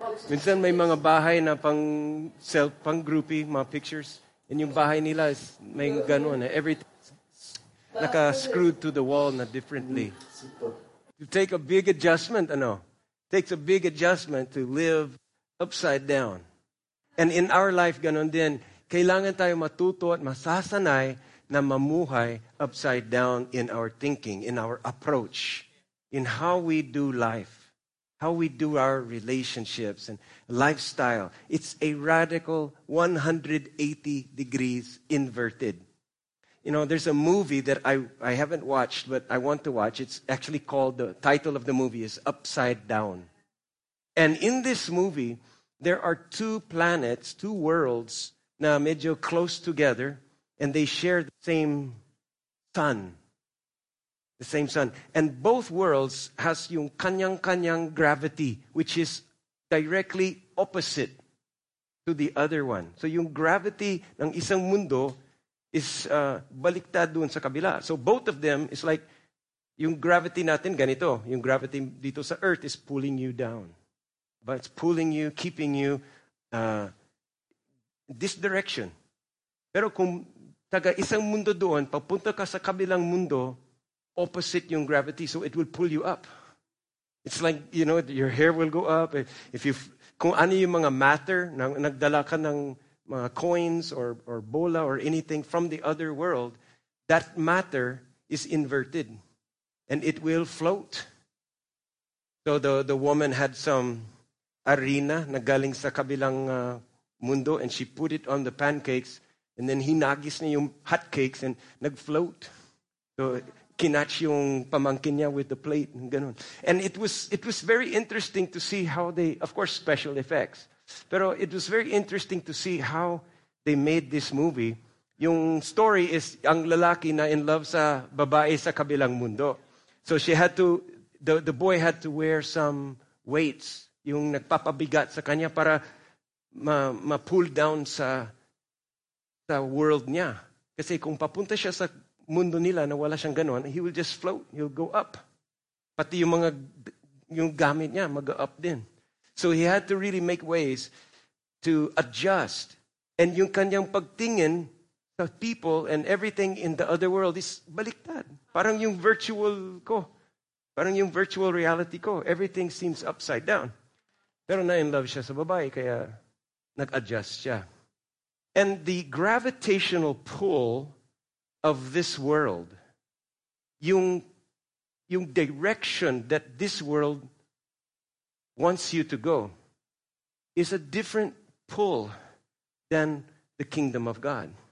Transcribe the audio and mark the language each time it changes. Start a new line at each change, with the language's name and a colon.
Filipino: Minsan may mga bahay na pang self, pang groupie, mga pictures. And yung bahay nila is may ganun na everything naka
English: screwed to the wall
Filipino: na differently.
English: You take a big adjustment, ano? Takes a big adjustment to live upside down. And in our life,
Filipino: ganun din, kailangan tayo matuto at masasanay na mamuhay
English: upside down in our thinking, in our approach, in how we do life, how we do our relationships and lifestyle. It's a radical 180 degrees inverted. You know, there's a movie that I haven't watched, but I want to watch. It's actually called, the title of the movie is Upside Down. And in this movie, there are two planets, two worlds,
Filipino: na medyo
English: close together, and they share the same sun. The same sun. And both worlds has
Filipino: yung kanyang-kanyang
English: gravity, which is directly opposite to the other one.
Filipino: So yung gravity ng isang mundo is baliktad dun sa kabila. So both of them is like, yung gravity natin ganito. Yung
English: gravity
Filipino: dito sa
English: Earth is pulling you down. But it's pulling you, keeping you this direction.
Filipino: Pero kung taga isang mundo doon, papunta ka sa kabilang mundo, opposite yung gravity,
English: so it will pull you up. It's like, you know, your hair will go up. If you,
Filipino: kung ano yung mga
English: matter,
Filipino: nagdala ka ng mga
English: coins or bola or anything from the other world, that matter is inverted and it will float. So the woman had some arena
Filipino: na galing sa kabilang mundo,
English: and she put it on the pancakes, and then
Filipino: hinagis niya yung
English: hotcakes and nag-float.
Filipino: So kinatch yung pamangkin niya
English: with the plate
Filipino: and ganun.
English: And it was very interesting to see how they, of course, special effects. Pero it was very interesting to see how they made this movie.
Filipino: Yung story is ang lalaki na in love sa babae sa kabilang mundo.
English: So she had to, the boy had to wear some weights,
Filipino: yung nagpapabigat sa kanya para ma-pull down sa world niya. Kasi kung papunta siya sa mundo nila na wala siyang ganun,
English: he will just float, he'll go up.
Filipino: Pati yung mga, yung gamit niya, mag-up din.
English: So he had to really make ways to adjust. And
Filipino: yung kanyang pagtingin sa
English: people and everything in the other world is baliktad.
Filipino: Parang yung virtual ko. Parang yung virtual reality ko.
English: Everything seems upside down.
Filipino: Pero na in love siya sa babae, kaya nag-adjust siya.
English: And the gravitational pull of this world,
Filipino: yung
English: direction that this world wants you to go, is a different pull than the kingdom of God.